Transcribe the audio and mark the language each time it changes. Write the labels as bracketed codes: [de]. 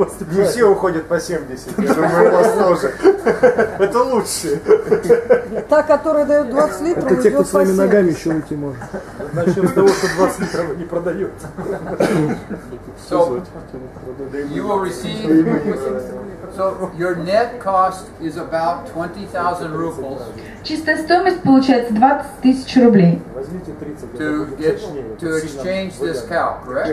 [ru] Не все уходят по 70, я думаю, у вас тоже. Это лучше. Та, которая дает 20 литров, это те, кто своими ногами еще уйти может. Начнем с того, что 20 литров не продает. [en] So, you will receive... So, your net cost is about 20,000 rubles. [ru] Чистая стоимость получается 20 тысяч рублей. [en] To exchange this cow, correct?